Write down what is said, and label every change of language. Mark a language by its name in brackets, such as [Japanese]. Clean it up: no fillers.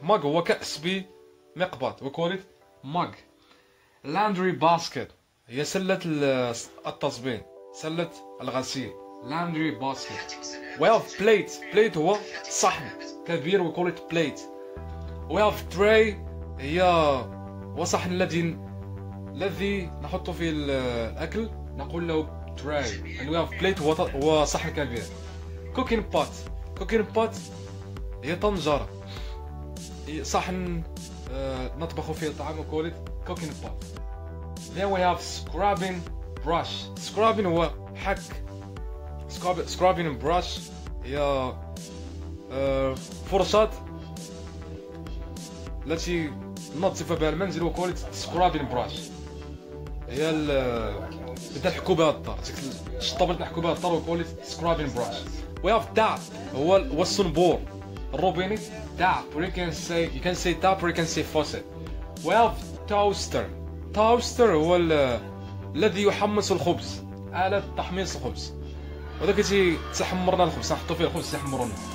[English] Mug [Arabic] هو كأس بمقبض، [English] we call it mug. Laundry basket [Arabic] هي سلة التصبين، سلة الغسيل. [English] Laundry basket. We have plate. Plate [Arabic] هو صحن كبير، [English] we call it plate. We have tray [Arabic] هي صحن الذي نحط فيه الأكل، نقول له tray. [English] And we have plate [Arabic] هو صحن كبير. [English] Cooking pot. Cooking pot [Arabic] هي طنجرة، صحن نطبخ فيه الطعام، [English] we call it cooking pot. Then we have scrubbing brush. [Arabic] Scrubbing هو حك. [English] Scrubbing brush [Arabic] هي فرشاة التي ننظف بها المنزل، و [English] call it scrubbing brush. [Arabic] هي بدها تحكو بها الدار، الشطابة اللي تحكو بها الدار، و [English] call it scrubbing brush. We have tap [Arabic] هو الصنبور، الروبيني. [English] Tap or you can say tap or you can say faucet. We have toaster. Toaster [Arabic] هو الذي يحمص الخبز، آلة تحميص الخبز، وذاك تي تحمرنا الخبز، نحطو فيه الخبز تحمرونا.